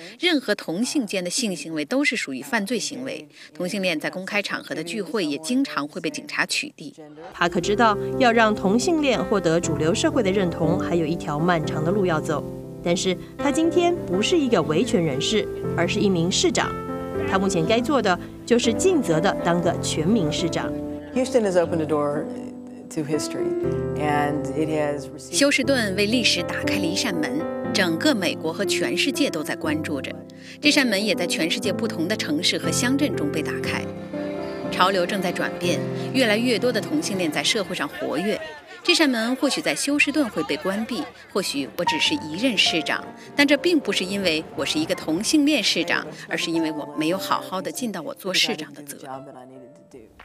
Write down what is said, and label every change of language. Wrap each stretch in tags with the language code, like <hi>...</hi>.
<zh>任何同性间的性行为都是属于犯罪行为，同性恋在公开场合的聚会也经常会被警察取缔。帕克知道要让同性恋获得主流社会的认同还有一条漫长的路要走，但是他今天不是一个维权人士，而是一名市长。他目前该做的就是尽责地当个全民市长。</zh> <en>Houston has opened a door to history, and it has.</en> <zh>休斯顿为历史打开了一扇门，整个美国和全世界都在关注着。这扇门也在全世界不同的城市和乡镇中被打开。潮流正在转变，越来越多的同性恋在社会上活跃。这扇门或许在休斯顿会被关闭，或许我只是一任市长，但这并不是因为我是一个同性恋市长，而是因为我没有好好的尽到我做市长的责任。</zh>